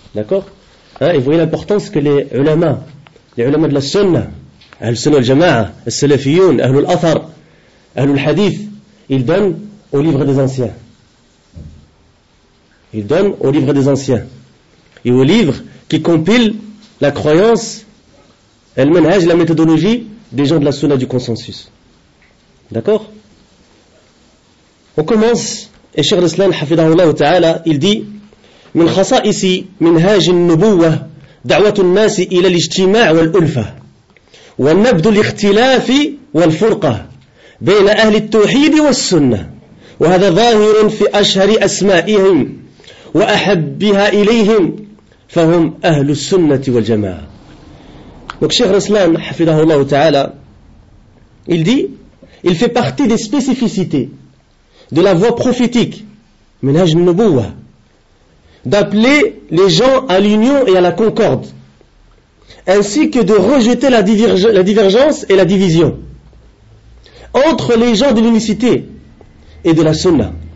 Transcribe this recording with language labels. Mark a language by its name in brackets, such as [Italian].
[French] D'accord, hein? Et vous voyez l'importance que les ulama de la sunna, Ahlul Sunna al-Jama'a, Al-Salafiyoun, Ahlul Athar, Ahlul Hadith, ils donnent au livre des anciens. Ils donnent au livre des anciens. Et au livre qui compile la croyance, Al-Manhaj, la méthodologie des gens de la sunna du consensus. D'accord? [Arabic] On commence, et Cheikh Al-Islam, hafidhahullah ta'ala, il dit: من خصائص منهاج النبوة دعوة الناس إلى الاجتماع والألفة ونبذ الاختلاف والفرقة بين أهل التوحيد والسنة وهذا ظاهر في أشهر أسمائهم وأحبها إليهم فهم أهل السنة والجماعة. [French] Donc Cheikh Rislan, حفظه الله تعالى, il dit, il fait partie des spécificités de la voie prophétique, منهاج النبوة, d'appeler les gens à l'union et à la concorde, ainsi que de rejeter la divergence et la division entre les gens de l'unicité et de la sunna.